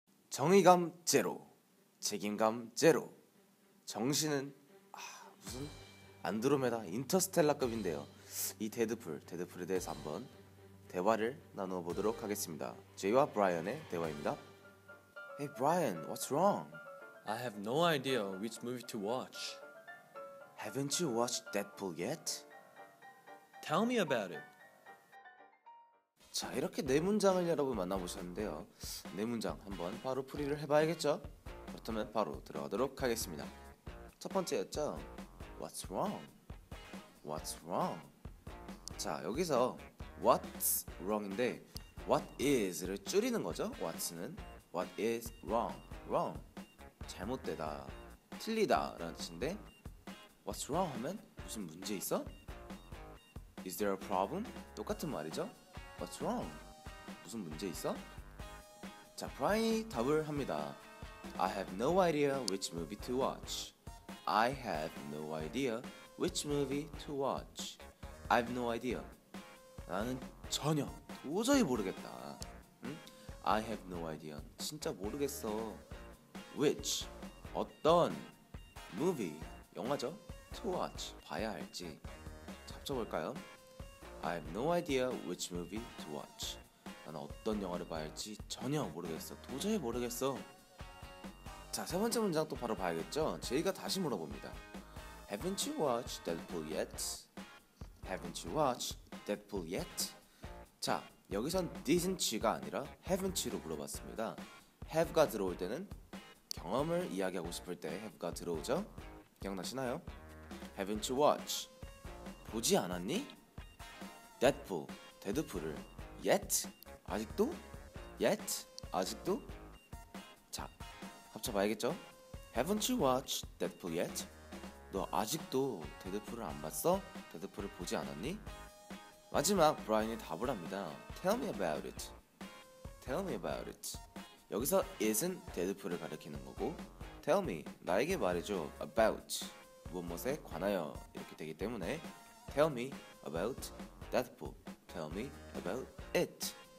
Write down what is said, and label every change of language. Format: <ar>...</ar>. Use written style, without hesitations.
<ko>정의감 제로, 책임감 제로, 정신은 아, 무슨 안드로메다 인터스텔라급인데요. 이 데드풀에 대해서 한번 대화를 나누어 보도록 하겠습니다. 제이와 브라이언의 대화입니다.</ko> <en>Hey Brian, what's wrong? I have no idea which movie to watch. Haven't you watched Deadpool yet? Tell me about it.</en> <ko>자, 이렇게 네 문장을 여러분 만나보셨는데요. 네 문장 한번 바로 풀이를 해봐야겠죠? 그렇다면 바로 들어가도록 하겠습니다. 첫 번째였죠?</ko> <en>What's wrong? What's wrong?</en> <ko>자, 여기서</ko> <en>what's wrong</en> <ko>인데</ko> <en>what is</en> <ko>를 줄이는 거죠?</ko> <en>what's는 what is wrong?</en> <ko>wrong 잘못되다, 틀리다 라는 뜻인데</ko> <en>what's wrong</en> <ko>하면 무슨 문제 있어?</ko> <en>is there a problem?</en> <ko>똑같은 말이죠?</ko> <en>What's wrong?</en> <ko>무슨 문제 있어? 자, 브라이 답을 합니다.</ko> <en>I have no idea which movie to watch. I have no idea which movie to watch. I have no idea.</en> <ko>나는 전혀 도저히 모르겠다. 응?</ko> <en>I have no idea.</en> <ko>진짜 모르겠어. Which, 어떤 movie, 영화죠?</ko> <en>To watch,</en> <ko>봐야 할지. 잡쳐볼까요?</ko> <en>I have no idea which movie to watch.</en> <ko>나는 어떤 영화를 봐야 할지 전혀 모르겠어. 도저히 모르겠어. 자, 세 번째 문장 또 바로 봐야겠죠? 제이가 다시 물어봅니다.</ko> <en>Haven't you watched Deadpool yet? Haven't you watched Deadpool yet?</en> <ko>자, 여기선</ko> <en>didn't you</en> <ko>가 아니라</ko> <en>haven't you</en> <ko>로 물어봤습니다. have가 들어올 때는 경험을 이야기하고 싶을 때 have가 들어오죠? 기억나시나요?</ko> <en>Haven't you watched?</en> <ko>보지 않았니? Deadpool, 데드풀을 yet? 아직도?</ko> <en>yet?</en> <ko>아직도? 자, 합쳐봐야겠죠?</ko> <en>Haven't you watched Deadpool yet?</en> <ko>너 아직도 데드풀을 안 봤어? 데드풀을 보지 않았니? 마지막 브라이언이 답을 합니다.</ko> <en>Tell me about it. Tell me about it.</en> <ko>여기서 it은 데드풀을 가리키는 거고</ko> <en>Tell me,</en> <ko>나에게 말해줘 about 무엇무엇에 관하여 이렇게 되기 때문에</ko> <en>Tell me about Deadpool, tell me about it.</en>